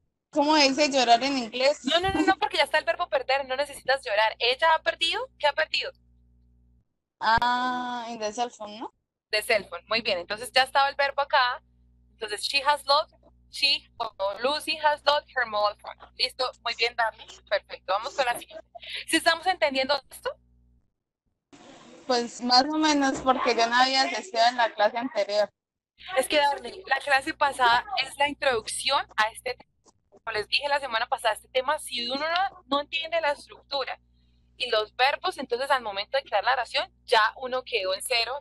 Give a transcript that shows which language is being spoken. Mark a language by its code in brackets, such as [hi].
[es] ¿Cómo dice llorar en inglés? No, no, no, no, porque ya está el verbo perder, no necesitas llorar. ¿Ella ha perdido? ¿Qué ha perdido? Ah, en [en] the cell phone, [es] ¿no? [en] The cell phone, [es] muy bien. Entonces ya estaba el verbo acá. [en] Entonces, she has lost, she, o Lucy has lost her mobile phone. [es] Listo, muy bien, Dami. Perfecto, vamos con la siguiente. ¿Sí estamos entendiendo esto? Pues más o menos, porque yo no había asistido en la clase anterior. Es que, Dami, la clase pasada es la introducción a este tema. Como les dije la semana pasada, este tema, si uno no entiende la estructura y los verbos, entonces al momento de crear la oración, ya uno quedó en cero.